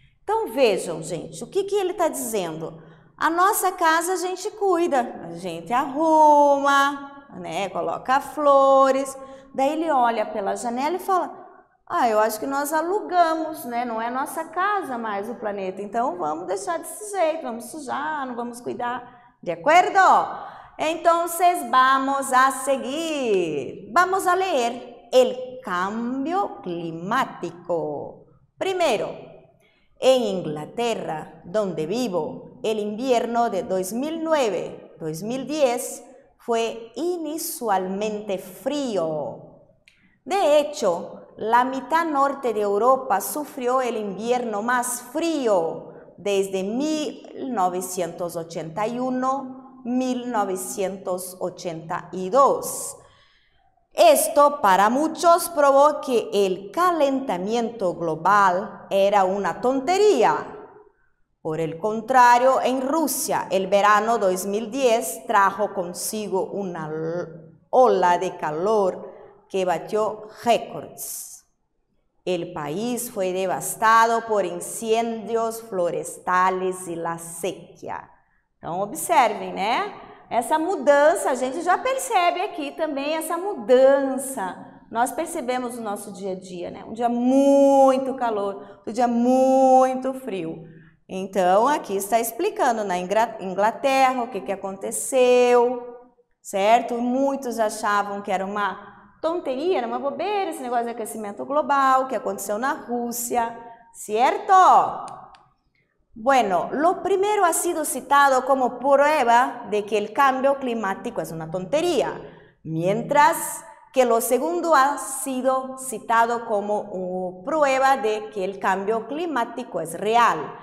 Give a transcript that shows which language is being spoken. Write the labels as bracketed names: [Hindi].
[Portuguese] Então vejam, gente, o que ele está dizendo? A nossa casa a gente cuida, a gente arruma, né? Coloca flores. Daí ele olha pela janela e fala: ah, eu acho que nós alugamos, né? Não é a nossa casa mais o planeta. Então vamos deixar desse jeito, vamos sujar, não vamos cuidar. De acordo? [Spanish] Entonces vamos a seguir. Vamos a leer el cambio climático. Primero, en Inglaterra, donde vivo, el invierno de 2009-2010 fue inusualmente frío. De hecho, la mitad norte de Europa sufrió el invierno más frío desde 1981-1982. Esto para muchos probó que el calentamiento global era una tontería. Por el contrario, en Rusia, el verano 2010 trajo consigo una ola de calor que batió récords. El país fue devastado por incendios forestales y la sequía. Entonces, observen, ¿eh? [Portuguese] Essa mudança, a gente já percebe aqui também, essa mudança. Nós percebemos no nosso dia a dia, né? Um dia muito calor, outro dia muito frio. Então, aqui está explicando na Inglaterra o que, que aconteceu, certo? Muitos achavam que era uma tonteria, era uma bobeira esse negócio de aquecimento global, que aconteceu na Rússia, certo? [Spanish] Bueno, lo primero ha sido citado como prueba de que el cambio climático es una tontería, mientras que lo segundo ha sido citado como prueba de que el cambio climático es real.